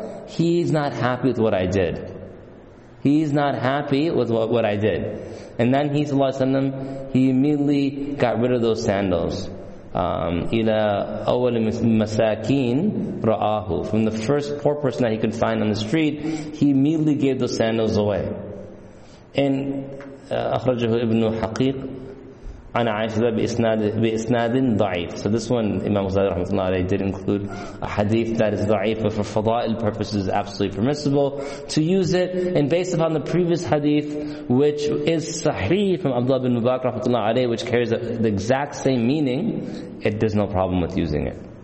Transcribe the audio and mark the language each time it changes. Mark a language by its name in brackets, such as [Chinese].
[English] He's not happy with what I did. He's not happy with what I did. And then he, sallallahu alayhi wa sallam, he immediately got rid of those sandals. [Arabic] إِلَىٰ أَوَلِ مَسَاكِينَ رَآهُ. [English] From the first poor person that he could find on the street, he immediately gave those sandals away. [Arabic] And أخرجه ابن حقيق عن عائشة بإسناد ضعيف. [English] So this one, Imam Ghazali رحمه الله did include a hadith that is ضعيف, but for fada'il purposes is absolutely permissible to use it. And based upon the previous hadith, which is sahih from Abdullah bin Mubarak رحمه الله, which carries the exact same meaning, it does no problem with using it.